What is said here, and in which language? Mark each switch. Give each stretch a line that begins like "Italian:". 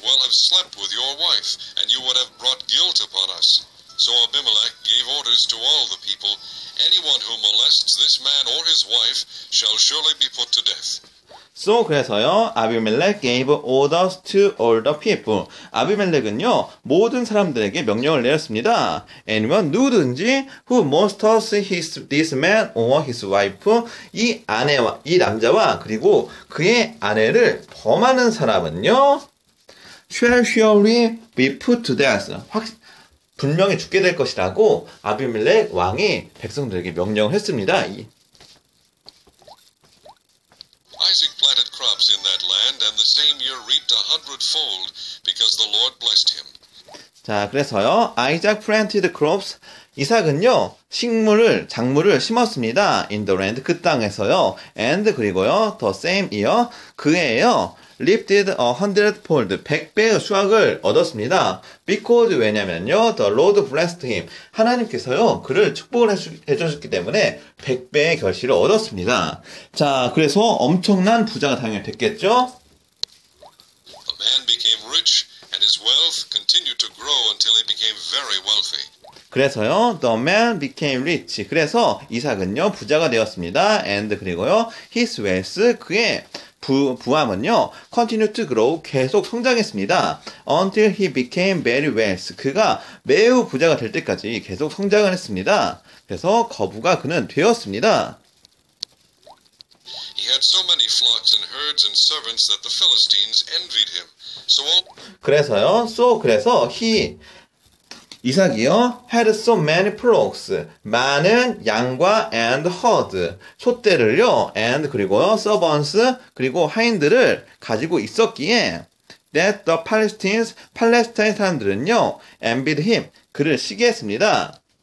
English: Slept with your wife, and you would have brought guilt upon us. So Abimelech gave orders to all the people, anyone who molests this man or his wife shall surely be put to death. So,
Korean: 그래서요,
English: Abimelech gave orders to all the people.
Korean: 아비멜렉은요, 모든 사람들에게 명령을 내렸습니다.
English: Anyone,
Korean: 누구든지,
English: who molests this man or his wife,
Korean: 이 남자와, 그리고 그의 아내를 범하는 사람은요,
English: shall surely be put to death.
Korean: 분명히 죽게 될 것이라고 아비멜렉 왕이 백성들에게 명령을 했습니다.
English: Isaac planted crops in that land, and the same year reaped a hundredfold because the Lord blessed him.
Korean: 자, 그래서요,
English: Isaac planted crops.
Korean: 이삭은요, 작물을 심었습니다.
English: In the land,
Korean: 그 땅에서요.
English: And
Korean: 그리고요,
English: the same year,
Korean: 그해에요.
English: Lifted a hundredfold,
Korean: 100배의 수확을 얻었습니다.
English: Because
Korean: 왜냐면요,
English: the Lord blessed him.
Korean: 하나님께서요, 그를 축복을 해주셨기 때문에 100배의 결실을 얻었습니다. 자, 그래서 엄청난 부자가 당연히 됐겠죠?
English: Man became rich, and his wealth continued to grow until he became very wealthy.
Korean: 그래서요,
English: the man became rich.
Korean: 그래서 이삭은요, 부자가 되었습니다.
English: And
Korean: 그리고요,
English: his wealth,
Korean: 그의 부함은요,
English: continue to grow,
Korean: 계속 성장했습니다.
English: Until he became very wealthy.
Korean: 그가 매우 부자가 될 때까지 계속 성장을 했습니다. 그래서 거부가 그는 되었습니다.
English: He had so many flocks and herds and servants that the Philistines envied him. So all
Korean: 그래서요, so, 그래서 he, 이삭이요,
English: had so many flocks,
Korean: 많은 양과
English: and herd,
Korean: 촛대를요, and 그리고요,
English: servants,
Korean: 그리고 하인들을 가지고 있었기에,
English: that the Palestinians,
Korean: 팔레스타인 사람들은요,
English: envied him,
Korean: 그를 시기했습니다.